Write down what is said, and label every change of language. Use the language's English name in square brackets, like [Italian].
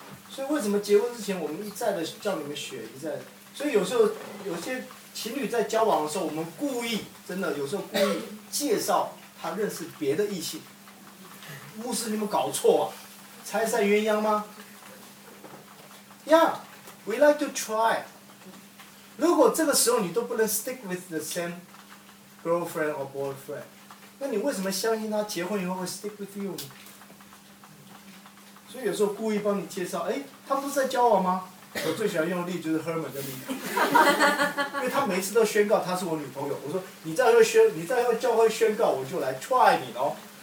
[Chinese] 所以为什么结婚之前我们一再的叫你们学，一再的？所以有时候有些情侣在交往的时候，我们故意真的有时候故意介绍他认识别的异性。牧师，你们搞错啊，拆散鸳鸯吗？ [English] Yeah, we like to try. [Chinese] 如果这个时候你都不能 [English] stick with the same girlfriend or boyfriend, [Chinese] 那你为什么相信他结婚以后会 [English] stick with you [Chinese] 呢？所以有时候故意帮你介绍，哎，他不是在交往吗？我最喜欢用的例子就是 Herman 跟 Lisa， 因为他每次都宣告他是我女朋友。我说你再要宣，你再要教会宣告，我就来 try 你哦。